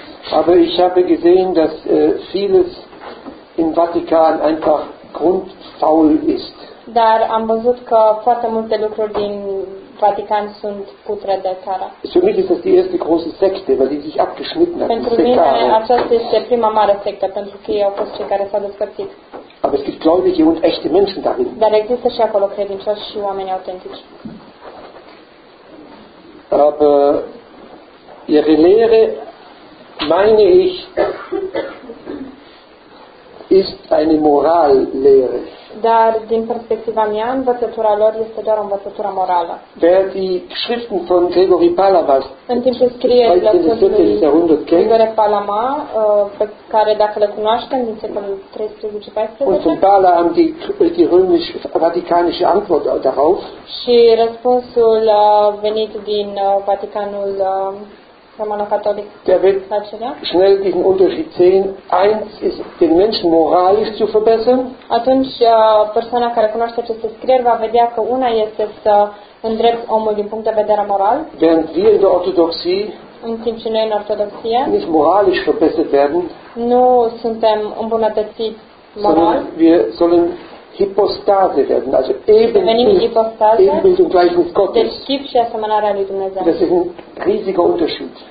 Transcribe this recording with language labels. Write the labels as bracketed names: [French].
[German] Aber ich habe gesehen, dass vieles im Vatikan einfach grundfaul ist. [Romanian] Dar am văzut că foarte multe lucruri din Vatican sunt putre de țară. [German] Für mich ist das die erste große Sekte, weil die sich abgeschnitten hat. [Romanian] Pentru mine aceasta este prima mare sectă, pentru că ei au fost cei care s-au despărțit. [German] Aber es gibt gläubige und echte Menschen darin. [Romanian] Dar există și acolo credincioși și oameni autentici. [German] Aber ihre Lehre, meine ich, ist eine Morallehre. [Romanian] Dar din perspectiva mea, învățătura lor este doar o învățătură morală. [German] Wer die Schriften von Gregory Palamas, [Romanian] în timpul scrierilor Gregory Palama, pe care dacă le cunoaștem din secolul 13-14, și răspunsul venit din Vaticanul Romano-Catolic, [German] der wird schnell diesen Unterschied sehen. Eins ist, den Menschen moralisch zu verbessern. [Romanian] Atunci, persoana care cunoaște aceste scrieri va vedea că una este să îndrept omul din punct de vedere moral. [German] Während wir in der Orthodoxie, [Romanian] în timp ce noi în Ortodoxie, [German] nicht moralisch verbessert werden, [Romanian] nu suntem îmbunătățiți moral, [German] sondern wir sollen Hypostase werden, also Ebenbild und Gleichnis Gottes. Das ist ein riesiger Unterschied.